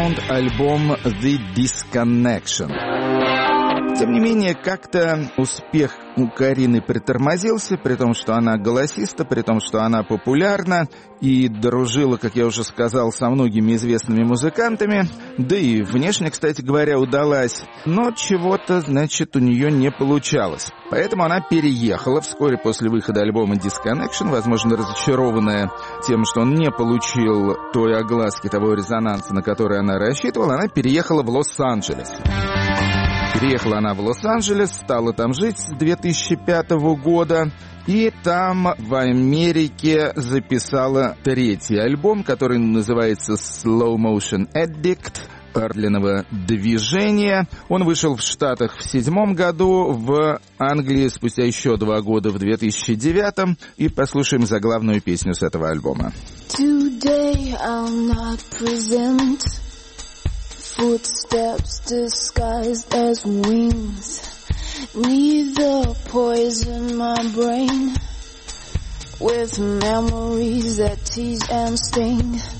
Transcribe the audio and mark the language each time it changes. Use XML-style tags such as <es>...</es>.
<ru>Альбом «The Disconnection». Тем не менее, как-то успех у Карины притормозился, при том, что она голосиста, при том, что она популярна и дружила, как я уже сказал, со многими известными музыкантами. Да и внешне, кстати говоря, удалась. Но чего-то, значит, у нее не получалось. Поэтому она переехала вскоре после выхода альбома «Disconnection», возможно, разочарованная тем, что он не получил той огласки, того резонанса, на который она рассчитывала, она переехала в Лос-Анджелес. Переехала она в Лос-Анджелес, стала там жить с 2005 года. И там, в Америке, записала третий альбом, который называется «Slow Motion Addict» Эрлинова движения. Он вышел в Штатах в 2007 году, в Англии спустя еще 2 года, в 2009. И послушаем заглавную песню с этого альбома.</ru> <en>Today I'll not present footsteps disguised as wings, neither poison my brain with memories that tease and sting.</en>